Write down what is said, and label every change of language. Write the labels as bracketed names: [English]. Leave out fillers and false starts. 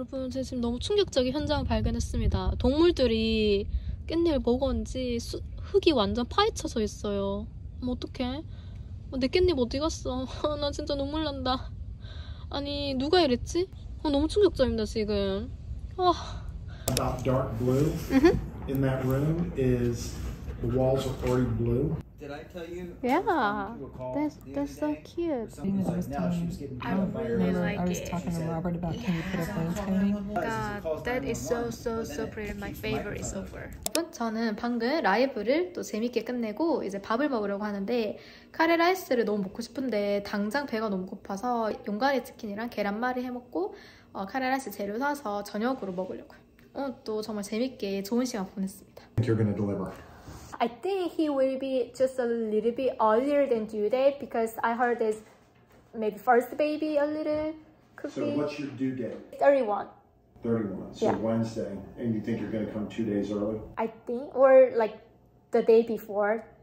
[Korean] 제가 지금 너무 충격적인 현장을 발견했습니다. 동물들이 깻잎을 먹었는지 흙이 완전 파헤쳐져 있어요. 어떡해? 내 깻잎 어디 갔어? 나 진짜 눈물 난다. 아니 누가 이랬지? 너무 충격적입니다 지금. [English] About dark blue. In that room is the walls are already blue. Did I tell you? Yeah. That's so cute. Dina was like, telling me. I really like it. I was talking to Robert about can you put up landscaping. God, that is so pretty. My favorite is over. [Korean] 여러분, 저는 방금 라이브를 또 재밌게 끝내고 이제 밥을 먹으려고 하는데 카레 라이스를 너무 먹고 싶은데 당장 배가 너무 고파서 용가리 치킨이랑 계란말이 해먹고 카레 라이스 재료 사서 저녁으로 먹으려고요. 또 정말 재밌게 좋은 시간 보냈습니다. [English] You're gonna deliver. I think he will be just a little bit earlier than due date because I heard this maybe first baby a little could be. So what's your due date? 31. 31, so yeah. Wednesday. And you think you're going to come 2 days early? I think, or like the day before.